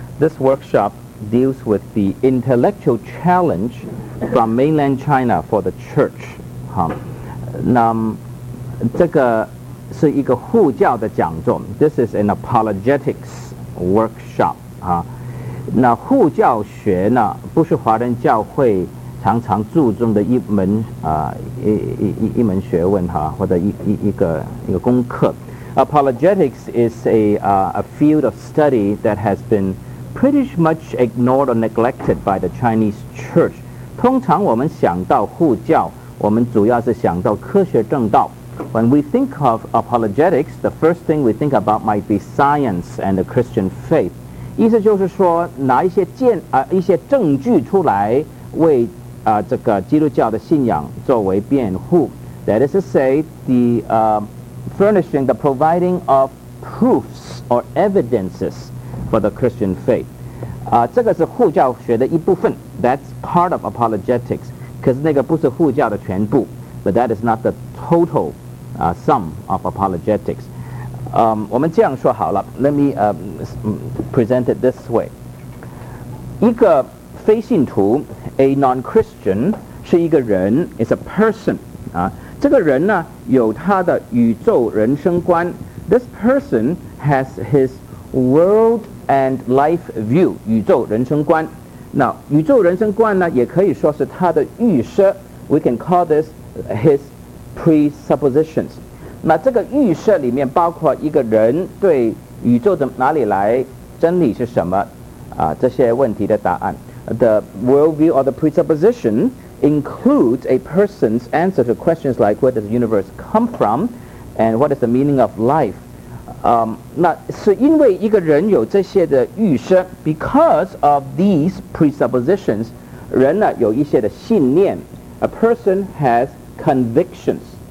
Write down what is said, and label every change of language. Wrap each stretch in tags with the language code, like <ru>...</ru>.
<en>This workshop deals with the intellectual challenge from mainland China for the church.</en> <zh>好，那这个是一个护教的讲座。</zh> <en>This is an apologetics workshop.</en> <zh>啊，那护教学呢，不是华人教会常常注重的一门啊、一门学问哈、啊，或者一个功课。</zh> <en>Apologetics is a field of study that has been pretty much ignored or neglected by the Chinese Church.</en> <zh>通常我们想到护教，我们主要是想到科学正道。</zh> <en>When we think of apologetics, the first thing we think about might be science and the Christian faith.</en> <zh>意思就是说，拿一些证据出来为这个基督教的信仰作为辩护。</zh> <en>That is to say, the providing of proofs or evidences for the Christian faith.</en> <zh>这个是护教学的一部分。</zh> <en>That's part of apologetics.</en> <zh>可是那个不是护教的全部。</zh> <en>But that is not the total sum of apologetics.</en> <zh>我们这样说好了。</zh> <en>Let me present it this way.</en> <zh>一个非信徒 ,</zh> <en>a non-Christian,</en> <zh>是一个人 ,</zh> <en>is a person.</en> <zh>这个人呢，有他的宇宙人生观。</zh> <en>This person has his world and life view, 宇宙人生观。</en> <zh>那宇宙人生观呢，也可以说是他的预设。</zh> <en>We can call this his presuppositions.</en> <zh>那这个预设里面包括一个人对宇宙的哪里来，真理是什么，啊，这些问题的答案。</zh> <en>The worldview or the presupposition. Includes a person's answer to questions like where does the universe come from and what is the meaning of life.</en> <zh>那是因为一个人有这些的预设</zh> <en>because of these presuppositions,</en> <zh>人呢有一些的信念</zh> <en>a person has convictions.</en>